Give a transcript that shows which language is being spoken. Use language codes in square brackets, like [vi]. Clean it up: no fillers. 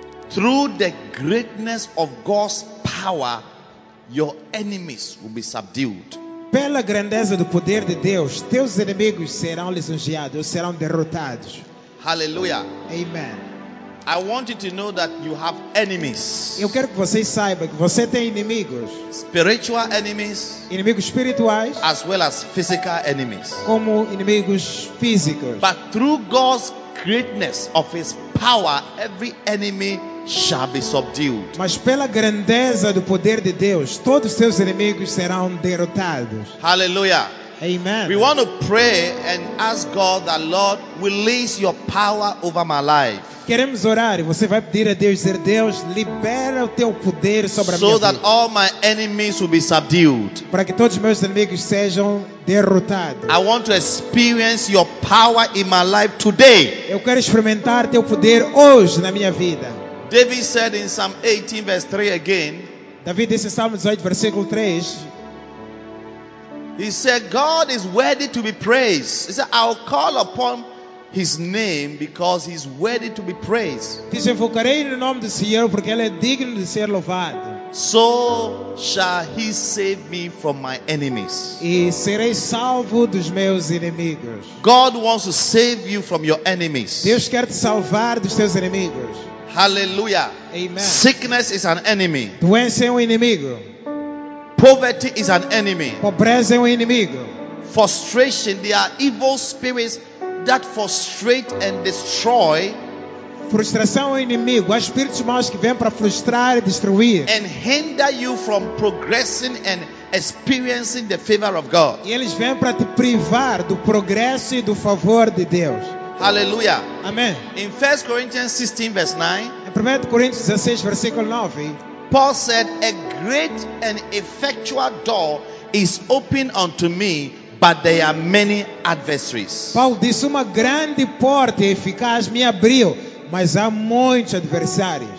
[en] Through the greatness of God's power, your enemies will be subdued. [pt] Pela grandeza do poder de Deus, teus inimigos serão lisonjeados, serão derrotados. [en] Hallelujah. Amen. I want you to know that you have enemies. [pt] Eu quero que você saiba que você tem inimigos. [en] Spiritual enemies. [pt] Inimigos espirituais. [en] As well as physical enemies. [pt] Como inimigos físicos. [en] But through God's greatness of His power, every enemy shall be subdued. [pt] Mas pela grandeza do poder de Deus, todos os seus inimigos serão derrotados. [en] Hallelujah. Amen. We want to pray and ask God that, Lord, release your power over my life. [pt] Queremos orar e você vai pedir a Deus, dizer: Deus, libera o teu poder sobre [en] so So that all my enemies will be subdued. [pt] Para que todos os meus inimigos sejam derrotados. [en] I want to experience your power in my life today. [pt] Eu quero experimentar teu poder hoje na minha vida. [en] David said in Psalm 18 verse 3 again. [pt] David disse em Salmo 18 versículo 3. [en] He said, God is worthy to be praised. He said, I'll call upon His name because He's worthy to be praised. [pt] Diz: invocarei no nome do Senhor porque Ele é digno de ser louvado. [en] So shall he save me from my enemies. [pt] E serei salvo dos meus inimigos. [en] God wants to save you from your enemies. [pt] Deus quer te salvar dos teus inimigos. [en] Hallelujah. Amen. Sickness is an enemy. [pt] Doença é inimigo. [en] Poverty is an enemy. [pt] Pobreza é inimigo. [en] Frustration, they are evil spirits that frustrate and destroy. [pt] Frustração é inimigo. Há espíritos maus que vêm para frustrar e destruir. [en] And hinder you from progressing and experiencing the favor of God. [pt] E eles vêm para te privar do progresso e do favor de Deus. [en] Hallelujah. [pt] Amém. [en] In 1 Corinthians 16, verse 9. [pt] Em 1 Coríntios 16, versículo 9. [en] Paul said, "A great and effectual door is open unto me, but there are many adversaries." [pt] Paulo disse, uma grande porta eficaz me abriu, mas há muitos adversários.